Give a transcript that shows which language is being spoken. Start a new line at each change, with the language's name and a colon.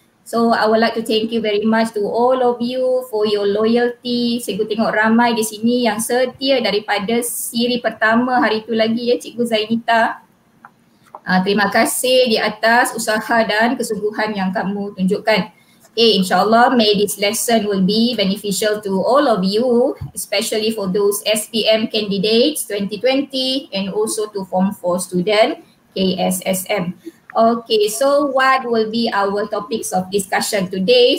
English: So I would like to thank you very much to all of you for your loyalty.
Malay: Cikgu tengok ramai di sini yang setia daripada siri pertama hari itu lagi ya Cikgu Zainita. Terima kasih di atas usaha dan kesungguhan yang kamu tunjukkan.
English: Okay, insyaAllah may this lesson will be beneficial to all of you, especially for those SPM candidates 2020 and also to Form 4 student KSSM. Okay, so what will be our topics of discussion today?